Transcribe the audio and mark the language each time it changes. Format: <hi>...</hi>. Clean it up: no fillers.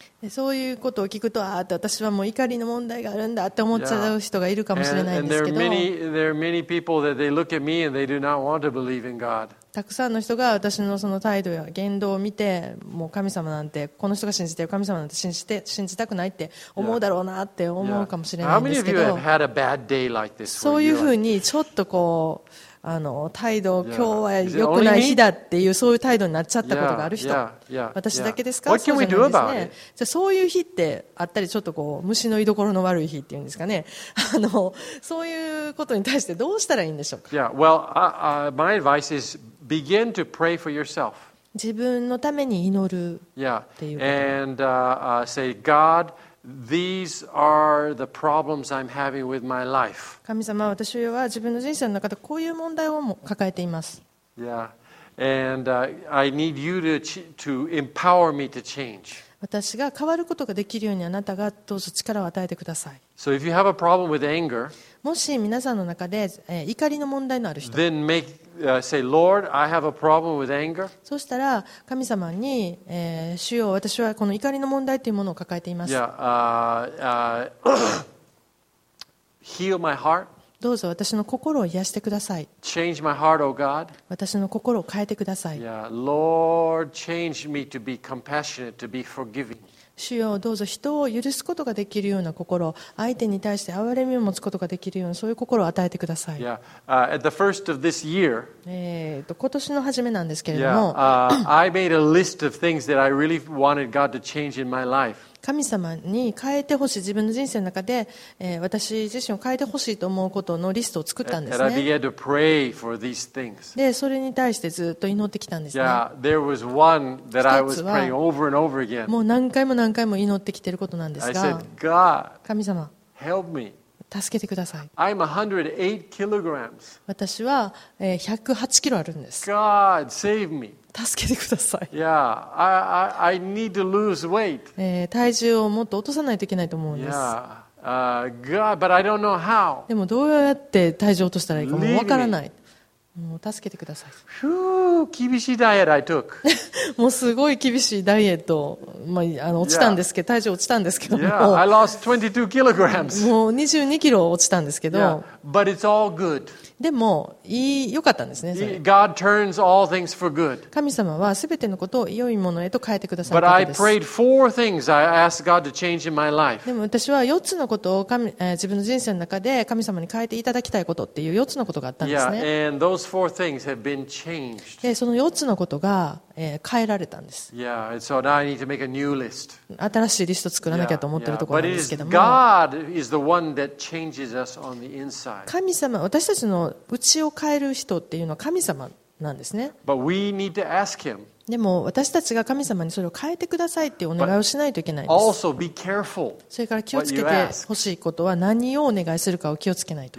<ja>そういうことを聞くと、ああ、私はもう怒りの問題があるんだって思っちゃう人がいるかもしれないんですけど。 Yeah.</ja> <en>And there are many people that they look at me and they do not want to believe in God.</en> <ja>たくさんの人が私のその態度や言動を見て、もう神様なんて、この人が信じてる神様なんて信じたくないって思うだろうなって思うかもしれないんですけど。 Yeah. そういうふうにちょっとこう、態度、今日は良くない日だっていう、そういう態度になっちゃったことがある人、私だけですか？そうじゃないですね。じゃあそういう日ってあったり、ちょっとこう虫の居所の悪い日っていうんですかね、そういうことに対してどうしたらいいんでしょうか？ Yeah.</ja> <en>Well, my advice is begin to pray for yourself.</en> <ja>自分のために祈るっていうこと。</ja> <en>And say, God. These are the problems I'm having with my life.</en> <ja>神様、私は自分の人生の中でこういう問題を抱えています。</ja> <en>Yeah. And I need you to empower me to change.</en> <ja>私が変わることができるようにあなたがどうぞ力を与えてください。</ja> <en>So if you have a problem with anger,</en> <ja>もし皆さんの中で、怒りの問題のある人、</ja> <en>then make, say, Lord, I have a problem with anger.</en> <ja>そうしたら神様に、主よ、私はこの怒りの問題というものを抱えています。</ja> <en>Yeah, heal my heart.</en> <ja>どうぞ私の心を癒してください。</ja> <en>Change my heart, O God.</en> <ja>私の心を変えてください。</ja> <en>Yeah, Lord, change me to be compassionate, to be forgiving.</en> <ja>主よ、どうぞ人を許すことができるような心、相手に対して憐れみを持つことができるようなそういう心を与えてください。今年の初めなんですけれども、</ja> <en>I made a list of things that I really wanted God to change in my life.</en> <ja>神様に変えてほしい、自分の人生の中で、私自身を変えてほしいと思うことのリストを作ったんですね。</ja> <en>And I began to pray for these things.</en> <ja>で、それに対してずっと祈ってきたんですね。</ja> <en>Yeah, there was one that I was praying over and over again.</en> <ja>もう何回も何回も祈ってきてることなんですが、</ja> <en>I said, God,</en> <ja>神様、</ja> <en>help me.</en> <ja>助けてください。</ja> <en>I'm 108kg.</en> <ja>私は108キロあるんです。</ja> <en>God, save me.</en> <ja>助けてください。</ja> <en>Yeah, I need to lose weight.</en> <ja>体重をもっと落とさないといけないと思うんです。</ja> <en>Yeah, God, but I don't know how.</en> <ja>でもどうやって体重を落としたらいいかもわからない。もう助けてください。厳しいダイエット</ja> <en>I took.</en> <ja>もうすごい厳しいダイエット、まあ、落ちたんですけど、 yeah. 体重落ちたんですけど、</ja> <en>yeah. I lost 22 kilograms.</en> <ja>もう22キロ落ちたんですけど、</ja> <en>yeah. But it's all good.</en> <ja>でも良かったんですね。</ja> <en>God turns all things for good.</en> <ja>神様は全てのことを良いものへと変えてくださったんです。</ja> <en>But I prayed four things I asked God to change in my life.</en> <ja>でも私は4つのことを自分の人生の中で神様に変えていただきたいことっていう4つのことがあったんですね。</ja> <en>Yeah, and those four things have been changed.</en> <ja>でその4つのことが変えられたんです。</ja> <en>yeah, so now I need to make a new list.</en> <ja>新しいリスト作らなきゃと思ってるところなんですけども、</ja> <en>God is the one that changes us on the inside.</en> <ja>神様、私たちの内を変える人っていうのは神様なんですね。</ja> <en>But we need to ask him.</en> <ja>でも私たちが神様にそれを変えてくださいってお願いをしないといけないんです。</ja> <en>But also be careful.</en> <ja>それから気をつけてほしいことは何をお願いするかを気をつけないと。</ja>